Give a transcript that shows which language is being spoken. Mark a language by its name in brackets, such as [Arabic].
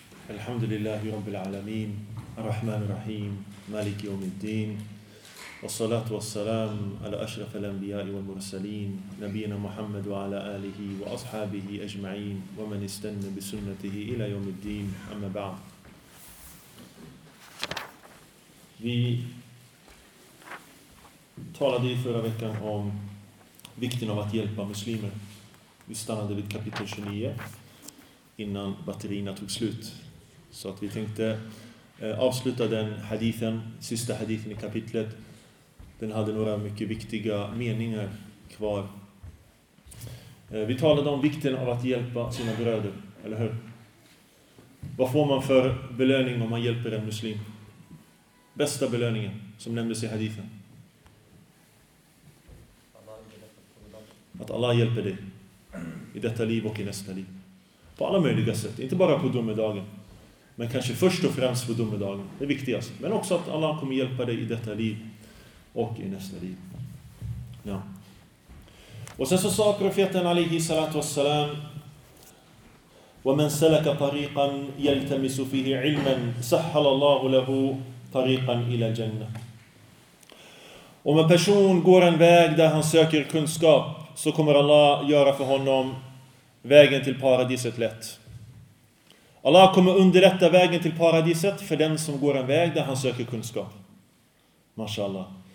[Arabic] الحمد لله رب العالمين، الرحمن الرحيم، مالك يوم الدين، والصلاة والسلام على أشرف الأنبياء والمرسلين نبينا محمد وعلى آله وأصحابه أجمعين ومن استنى بسنته إلى يوم الدين. أما بعد، [Swedish] في talade i förra veckan om vikten av att hjälpa muslimer. Vi stannade vid kapitel 29 innan batterierna tog slut. Så att vi tänkte avsluta den hadithen, sista hadithen i kapitlet. Den hade några mycket viktiga meningar kvar. Vi talade om vikten av att hjälpa sina bröder, eller hur? Vad får man för belöning om man hjälper en muslim? Bästa belöningen som nämndes i hadithen. Att Allah hjälper dig i detta liv och i nästa liv. På alla möjliga sätt. Inte bara på domedagen. Men kanske först och främst på domedagen. Det viktigaste. Men också att Allah kommer hjälpa dig i detta liv och i nästa liv. Ja. Och sen så sa profeten [Arabic] alaihi salatu wassalam: وَمَنْ سَلَكَ طَرِيقًا يَلْتَمِسُ فِيهِ عِلْمًا سَحَّلَ اللَّهُ لَهُ طَرِيقًا إِلَى الْجَنَّةِ. [Swedish] Om en person går en väg där han söker kunskap, så kommer Allah göra för honom vägen till paradiset lätt. Allah kommer underlätta vägen till paradiset för den som går en väg där han söker kunskap. Mashallah.